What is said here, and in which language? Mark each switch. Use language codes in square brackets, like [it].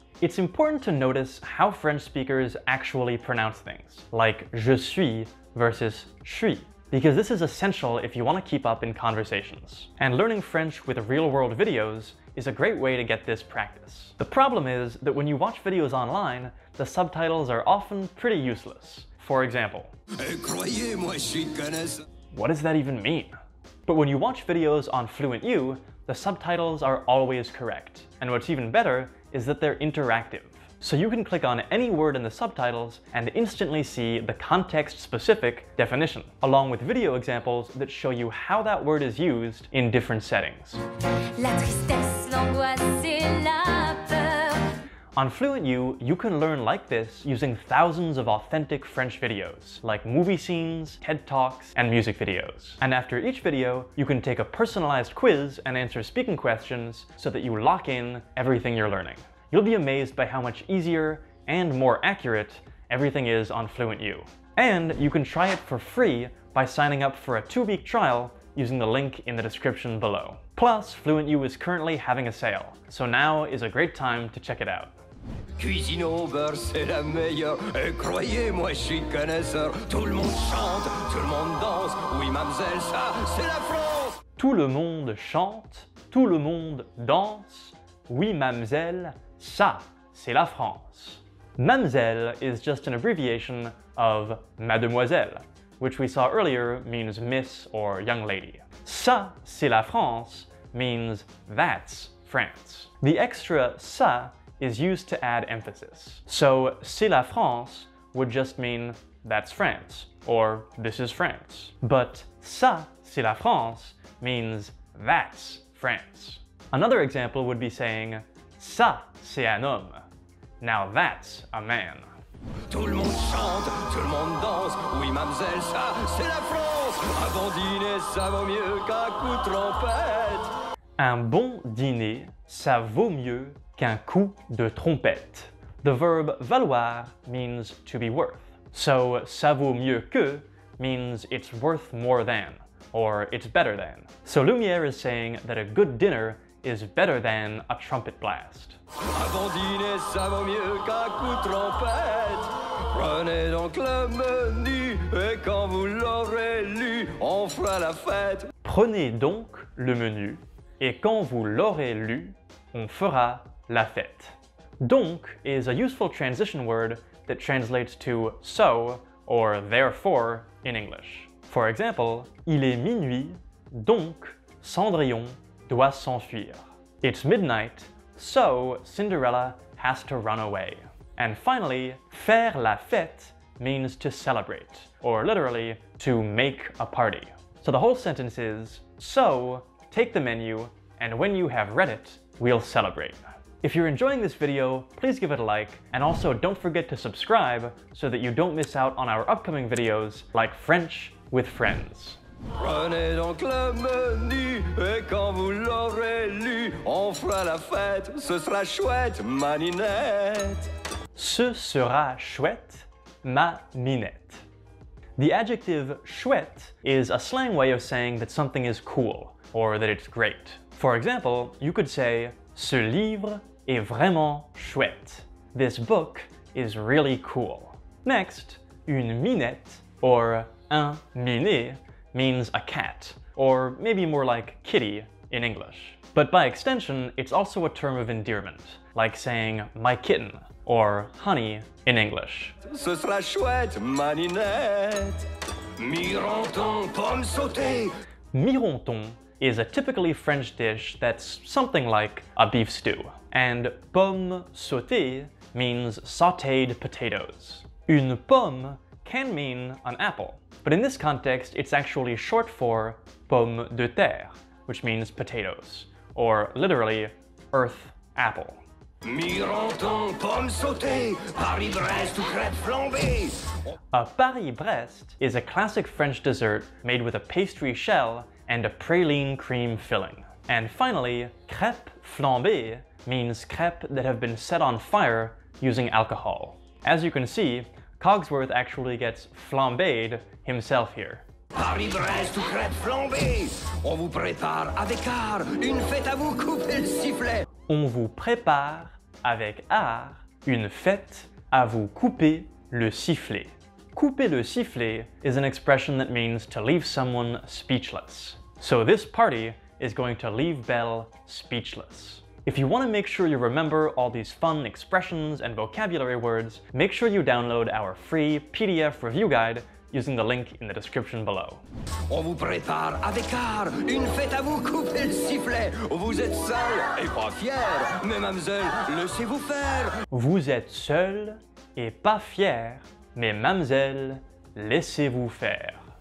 [en] It's important to notice how French speakers actually pronounce things, like [fr] je suis [en] versus [fr] je suis, [en] because this is essential if you want to keep up in conversations. And learning French with real-world videos is a great way to get this practice. The problem is that when you watch videos online, the subtitles are often pretty useless. For example, [fr] croyez-moi, je suis connaisseur. [en] What does that even mean? But when you watch videos on FluentU, the subtitles are always correct. And what's even better is that they're interactive. So you can click on any word in the subtitles and instantly see the context-specific definition, along with video examples that show you how that word is used in different settings. [fr] La tristesse, l'angoisse et la peur. [en] On FluentU, you can learn like this using thousands of authentic French videos, like movie scenes, TED Talks, and music videos. And after each video, you can take a personalized quiz and answer speaking questions so that you lock in everything you're learning. You'll be amazed by how much easier and more accurate everything is on FluentU. And you can try it for free by signing up for a 2-week trial using the link in the description below. Plus, FluentU is currently having a sale, so now is a great time to check it out. [fr] Cuisine au beurre, c'est la meilleure. Et croyez-moi, je suis connaisseur. Tout le monde chante, tout le monde danse. Oui, mademoiselle, ça, c'est la France. Tout le monde chante, tout le monde danse. Oui, mademoiselle. Ça, c'est la France. [en] Mademoiselle is just an abbreviation of mademoiselle, which we saw earlier means miss or young lady. [fr] Ça, c'est la France [en] means that's France. The extra ça is used to add emphasis. So, [fr] c'est la France [en] would just mean that's France, or this is France. But [fr] ça, c'est la France [en] means that's France. Another example would be saying [fr] ça, c'est un homme. [en] Now that's a man. [fr] Tout le monde chante, tout le monde danse. Oui, mademoiselle, ça, c'est la France. Un bon dîner, ça vaut mieux qu'un coup de trompette. Un bon dîner, ça vaut mieux qu'un coup de trompette. [en] The verb valoir means to be worth. So, [fr] ça vaut mieux que [en] means it's worth more than, or it's better than. So Lumière is saying that a good dinner is better than a trumpet blast. [fr] Un bon dîner, ça vaut mieux qu'un coup de trompette. Prenez donc le menu, et quand vous l'aurez lu, on fera la fête. Prenez donc le menu, et quand vous l'aurez lu, on fera la fête. [en] Donc is a useful transition word that translates to so or therefore in English. For example, [fr] il est minuit, donc Cendrillon doit s'enfuir. [en] It's midnight, so Cinderella has to run away. And finally, [fr] faire la fête [en] means to celebrate, or literally, to make a party. So the whole sentence is, so take the menu, and when you have read it, we'll celebrate. If you're enjoying this video, please give it a like, and also don't forget to subscribe so that you don't miss out on our upcoming videos like French with Friends. [fr] Prenez donc le menu, et quand vous l'aurez lu, on fera la fête, ce sera chouette, ma ninette. Ce sera chouette, ma ninette. [en] The adjective chouette is a slang way of saying that something is cool, or that it's great. For example, you could say, [fr] ce livre est vraiment chouette. [en] This book is really cool. Next, [fr] une minette, [en] or [fr] un minet, [en] means a cat, or maybe more like kitty in English. But by extension, it's also a term of endearment, like saying my kitten or honey in English. [fr] Ce sera chouette, ma ninette. Mironton, pomme sautée. [en] Mironton is a typically French dish that's something like a beef stew. And [fr] pomme sautée [en] means sautéed potatoes. [fr] Une pomme [en] can mean an apple, but in this context, it's actually short for [fr] pomme de terre, [en] which means potatoes, or literally, earth apple. [fr] Mironton, pomme sautée, Paris-Brest, crêpe flambée. [en] A Paris-Brest is a classic French dessert made with a pastry shell and a praline cream filling. And finally, [fr] crêpe flambée [en] means crêpe that have been set on fire using alcohol. As you can see, Cogsworth actually gets flambéed himself here. [fr] Paris-Brest, crêpe flambée. On vous prépare avec art une fête à vous couper le sifflet. On vous prépare avec art une fête à vous couper le sifflet. Couper le sifflet [en] is an expression that means to leave someone speechless. So this party is going to leave Belle speechless. If you want to make sure you remember all these fun expressions and vocabulary words, make sure you download our free PDF review guide using the link in the description below. [fr] On vous prépare avec art une fête à vous couper le sifflet. Vous êtes seul et pas fier, mais mademoiselle, laissez-vous faire. Vous êtes seul et pas fier, mais mademoiselle, laissez-vous faire.